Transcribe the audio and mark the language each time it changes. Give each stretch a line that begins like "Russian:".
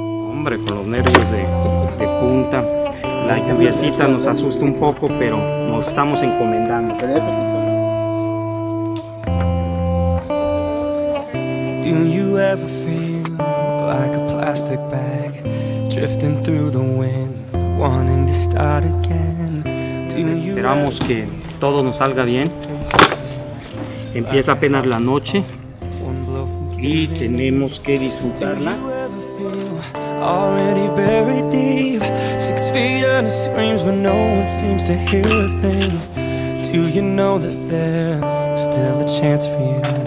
Spanish: hombre, con los nervios de punta. La lluviecita nos asusta un poco, pero nos estamos encomendando.
English: Do you ever feel like a plastic bag drifting through the wind, wanting to start again?
Spanish: Esperamos que todo nos salga bien. Empieza apenas la noche y tenemos que disfrutarla.
English: Already buried deep, 6 feet under screams where no one seems to hear a thing. Do you know that there's still a chance for you?